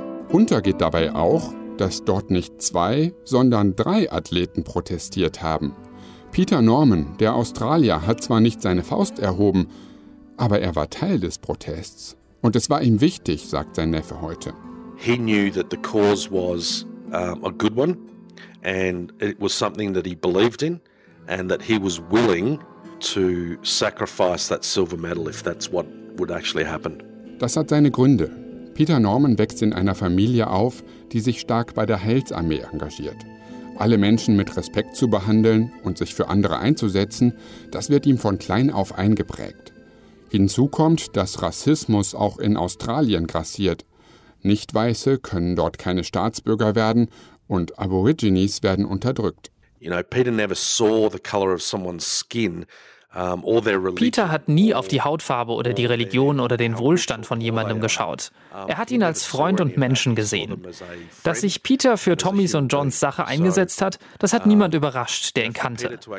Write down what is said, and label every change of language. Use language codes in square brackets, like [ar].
[de] Unter geht dabei auch, dass dort nicht zwei, sondern drei Athleten protestiert haben. Peter Norman, der Australier, hat zwar nicht seine Faust erhoben, aber er war Teil des Protests. Und es war ihm wichtig, sagt sein Neffe heute. [en] He knew that the cause was a good one and it was something that he believed in and that he was willing to sacrifice that silver medal if that's what would actually happen. [de] Das hat seine Gründe. Peter Norman wächst in einer Familie auf, die sich stark bei der Heilsarmee engagiert. Alle Menschen mit Respekt zu behandeln und sich für andere einzusetzen, das wird ihm von klein auf eingeprägt. Hinzu kommt, dass Rassismus auch in Australien grassiert. Nicht-Weiße können dort keine Staatsbürger werden und Aborigines werden unterdrückt. [en] Peter never saw the color of someone's skin. [de] Peter hat nie auf die Hautfarbe oder die Religion oder den Wohlstand von jemandem geschaut. Er hat ihn als Freund und Menschen gesehen. Dass sich Peter für Tommys und Johns Sache eingesetzt hat, das hat niemand überrascht, der ihn kannte.